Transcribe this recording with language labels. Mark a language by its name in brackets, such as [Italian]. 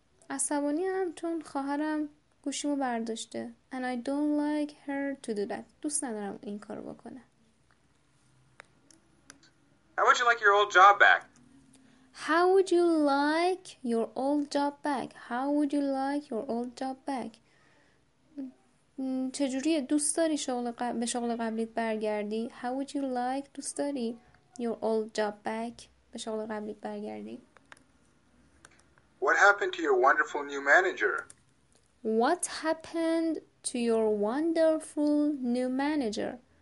[Persian] عصبانی هم چون خواهرم گوشیمو برداشته. [English] And I don't like her to do that. [Persian] دوست ندارم این کارو بکنه. [English] How would you like your old job back? How would you like your old job back? How would you like your old job back? [Persian] چجوریه؟ دوست داری به شغل قبلیت برگردی؟ [English] How would you like, [Persian] دوست داری [English] your old job back, [Persian] به شغل قبلیت برگردی؟ [English] What happened to your wonderful new manager? What happened to your wonderful new manager?